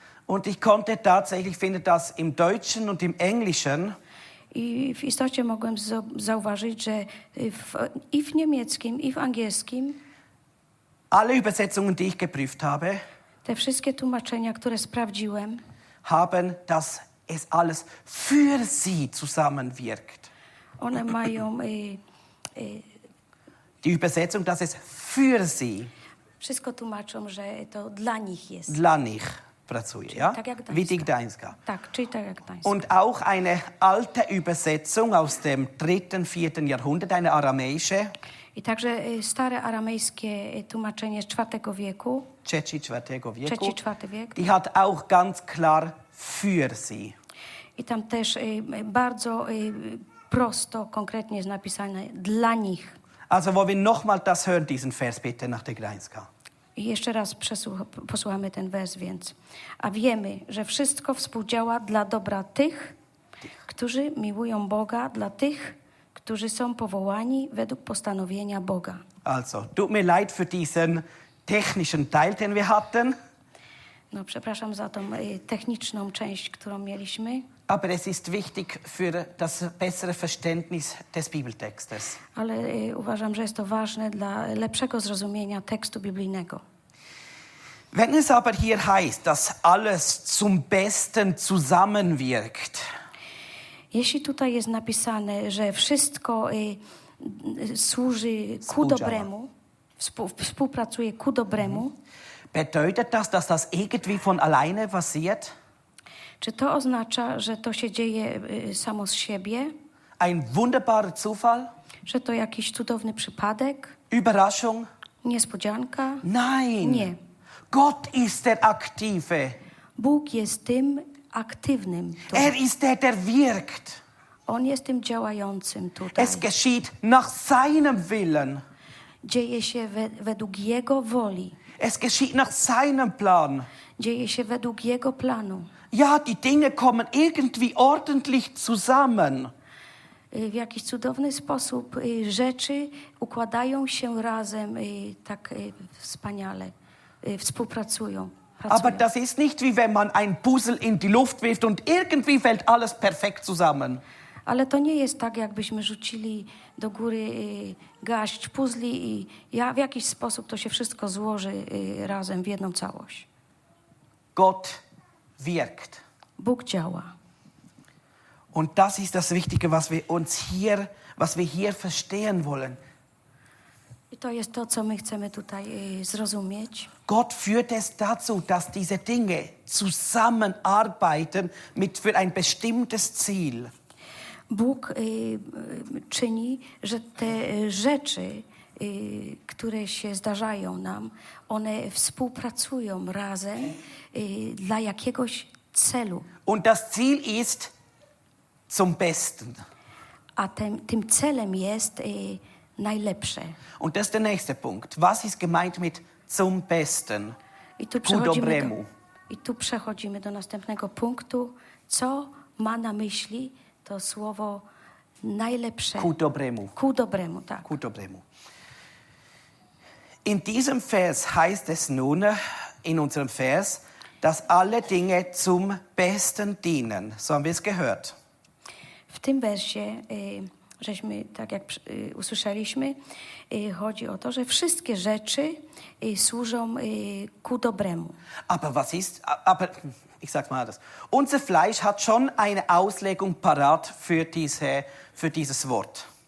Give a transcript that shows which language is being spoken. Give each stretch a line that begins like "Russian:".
German: Und ich konnte tatsächlich finden, dass im Deutschen und im Englischen.
Polish: I w istocie mogłem zauważyć, że i w niemieckim, i w angielskim.
German: Alle Übersetzungen, die ich geprüft habe.
Polish: Te wszystkie tłumaczenia, które sprawdziłem.
German: Haben das es alles für sie zusammenwirkt.
Polish: One mają
German: die Übersetzung, dass es für sie.
Polish: Wszystko tłumaczą, że to dla nich jest. Dla nich pracuje, czyli ja? Tak jak
German: wie die Gdańska.
Polish: Tak, czyli tak jak Gdańska.
German: Und auch eine alte Übersetzung aus dem 3. 4. Jahrhundert, eine aramäische.
Polish: I także stare aramejskie tłumaczenie z 4. wieku. Trzeci, czwartego wieku. Trzeci, czwarty wiek.
German: Die hat auch ganz klar für sie.
Polish: I tam też bardzo prosto, konkretnie jest napisane dla nich.
German: Also wollen wir nochmal das hören, diesen Vers bitte nach der Gdańska.
Polish: I jeszcze raz posłuchamy ten wers, więc. A wiemy, że wszystko współdziała dla dobra tych, którzy miłują Boga, dla tych, którzy są powołani według postanowienia Boga.
German: Also, tut mir leid für diesen technischen Teil, den wir hatten.
Polish: No, przepraszam za tą techniczną część, którą mieliśmy.
German: Aber es ist wichtig für das bessere Verständnis des Bibeltextes.
Polish: Ale uważam, że jest to ważne dla lepszego zrozumienia tekstu biblijnego.
German: Wenn es aber hier heißt, dass alles zum Besten zusammenwirkt.
Polish: Jeśli tutaj jest napisane, że wszystko służy ku dobremu, współpracuje ku dobremu.
German: Bedeutet das, dass das irgendwie von alleine passiert?
Polish: Czy to oznacza, że to się dzieje samo z siebie?
German: Ein wunderbarer Zufall?
Polish: Że to jakiś cudowny przypadek?
German: Überraschung?
Polish: Niespodzianka?
German: Nein.
Polish: Nie.
German: Gott ist der Aktive.
Polish: Bóg jest tym aktywnym.
German: Tutaj. Er ist der, der wirkt.
Polish: On jest tym działającym tutaj.
German: Es geschieht nach seinem Willen.
Polish: Dzieje się według jego woli.
German: Es geschieht nach seinem Plan.
Polish: Dzieje się według jego planu.
German: Ja, die Dinge kommen irgendwie ordentlich zusammen.
Polish: W jakiś cudowny sposób rzeczy układają się razem tak wspaniale. Współpracują. Pracują.
German: Aber das ist nicht wie wenn man ein Puzzle in die Luft wirft und irgendwie fällt alles perfekt zusammen.
Polish: Ale to nie jest tak, jakbyśmy rzucili do góry garść puzli i ja w jakiś sposób to się wszystko złoży razem w jedną całość.
German: Gott wirkt.
Polish: Bóg działa.
German: Und das ist das Wichtige, was wir hier verstehen wollen.
Polish: I to jest to, co my chcemy tutaj zrozumieć.
German: Gott führt es dazu, dass diese Dinge zusammenarbeiten mit für ein bestimmtes Ziel.
Polish: Bóg czyni, że te rzeczy, które się zdarzają nam, one współpracują razem dla jakiegoś celu.
German: Und das Ziel ist zum Besten.
Polish: A tym celem jest najlepsze.
German: Und das ist der nächste Punkt. Was ist gemeint mit zum Besten?
Polish: I tu przechodzimy do następnego punktu. Co ma na myśli to słowo najlepsze? Ku dobremu. Ku dobremu, tak. Ku dobremu.
German: In diesem Vers heißt es nun, in unserem Vers, dass alle Dinge zum Besten dienen. So haben wir es gehört.
Polish: W tym wersie, żeśmy tak jak usłyszeliśmy, chodzi o to, że wszystkie rzeczy służą ku dobremu.
German: Aber was ist, aber ich sag mal das. Unser Fleisch hat schon eine Auslegung parat für diese, für dieses Wort.